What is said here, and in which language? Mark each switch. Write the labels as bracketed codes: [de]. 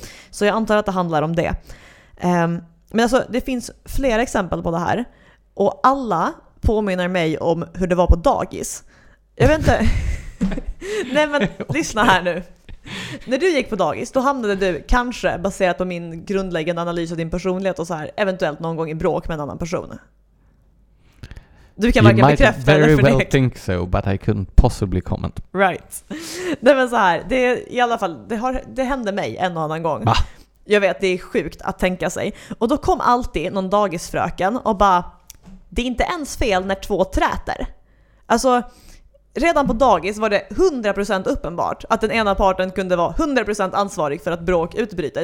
[sv] Så jag antar att det handlar om det. Men alltså det finns flera exempel på det här och alla påminner mig om hur det var på dagis. Jag vet inte. Nej men lyssna här nu. När du gick på dagis, då hamnade du kanske, baserat på min grundläggande analys av din personlighet och så här, eventuellt någon gång i bråk med en annan person. Du kan verkligen bekräfta eller förneka. [en] You might very well think so, but I couldn't possibly comment. Right. [sv] Nej men så här, det är, i alla fall, det hände mig en och annan gång. Va? Jag vet, det är sjukt att tänka sig. Och då kom alltid någon dagisfröken och bara, det är inte ens fel när två träter. Alltså, redan på dagis var det 100% uppenbart att den ena parten kunde vara 100% ansvarig för att bråk utbryter.